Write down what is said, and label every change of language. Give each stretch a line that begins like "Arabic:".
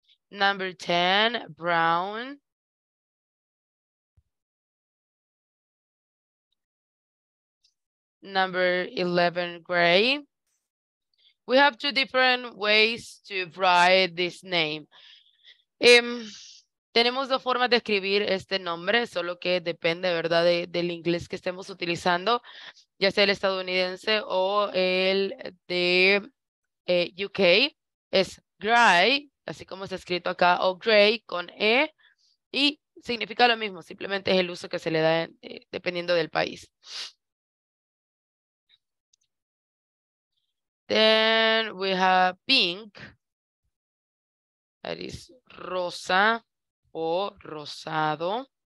English: Number 10, brown. Number 11, gray. We have two different ways to write this name.
Spanish: Tenemos dos formas de escribir este nombre, solo que depende, ¿verdad?, del inglés que estemos utilizando, ya sea el estadounidense o el de UK. Es gray, así como está escrito acá, o gray con E, y significa lo mismo, simplemente es el uso que se le da dependiendo del país.
English: Then we have pink, that is
Spanish: rosa o rosado.